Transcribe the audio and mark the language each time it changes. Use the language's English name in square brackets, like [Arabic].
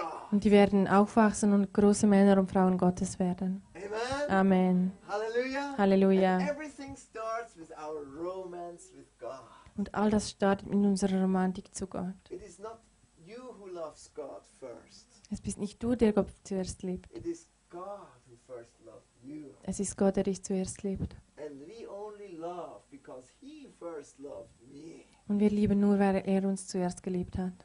[German] Und die werden aufwachsen und große Männer und Frauen Gottes werden. Amen. Halleluja. Halleluja. [English] And everything starts with our romance with God. [German] Und all das startet mit unserer Romantik zu Gott. [English] It is not you who loves God first. [German] Es bist nicht du, der Gott zuerst liebt. [English] It is God who first loved you. [German] Es ist Gott, der dich zuerst liebt. [English] And we only love because he first loved me. [German] Und wir lieben nur, weil er uns zuerst geliebt hat.